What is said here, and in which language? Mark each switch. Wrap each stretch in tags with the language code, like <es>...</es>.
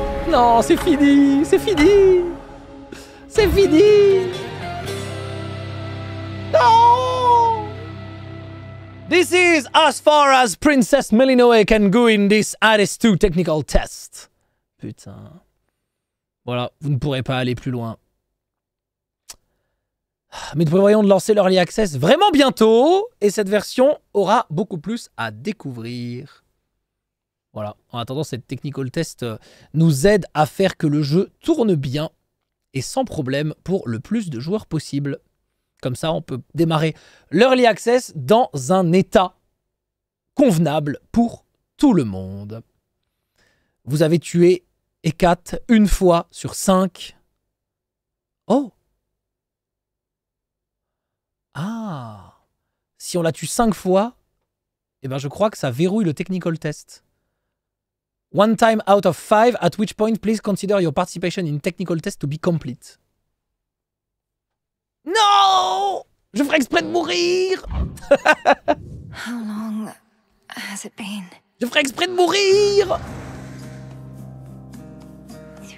<fr>Non, c'est fini, c'est fini, c'est fini. Non.</fr> <en>This is as far as Princess Melinoe can go in this Hades 2 technical test.</en> <fr>Putain. Voilà, vous ne pourrez pas aller plus loin. Mais nous prévoyons de lancer l'Early Access vraiment bientôt et cette version aura beaucoup plus à découvrir. Voilà, en attendant, cette technical test nous aide à faire que le jeu tourne bien et sans problème pour le plus de joueurs possible. Comme ça, on peut démarrer l'Early Access dans un état convenable pour tout le monde. Vous avez tué Hécate une fois sur 5. Oh! Ah, si on la tue 5 fois, eh ben je crois que ça verrouille le technical test.</fr> <en>One time out of 5, at which point please consider your participation in technical test to be complete.</en> <fr>Non ! Je ferai exprès de mourir !</fr> <en>How long has it been ?</en> <fr>Je ferai exprès de mourir !</fr>